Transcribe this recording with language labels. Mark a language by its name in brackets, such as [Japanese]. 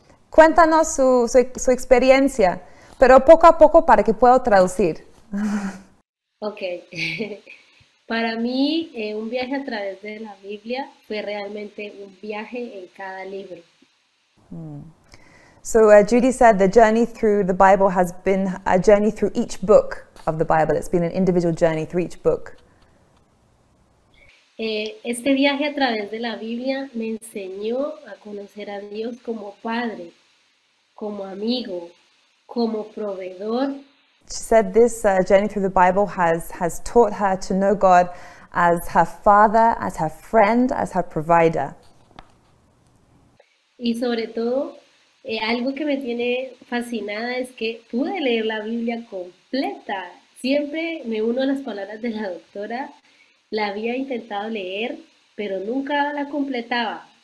[Spanish] Cuéntanos su experiencia, pero poco a poco para que pueda traducir. Ok. Para mí, un viaje a través de la Biblia fue realmente un viaje en cada libro. [English] So Judy said the journey through the Bible has been a journey through each book of the Bible. It's been an individual journey through each book. [Spanish] Este viaje a través de la Biblia me enseñó a conocer a Dios como Padre. Como amigo, como proveedor. [English] She said this journey through the Bible has taught her to know God as her father, as her friend, as her provider. [Spanish] Y sobre todo, algo que me tiene fascinada es que pude leer la Biblia completa Siempre me uno a las palabras de la doctora. La había intentado leer, pero nunca la completaba.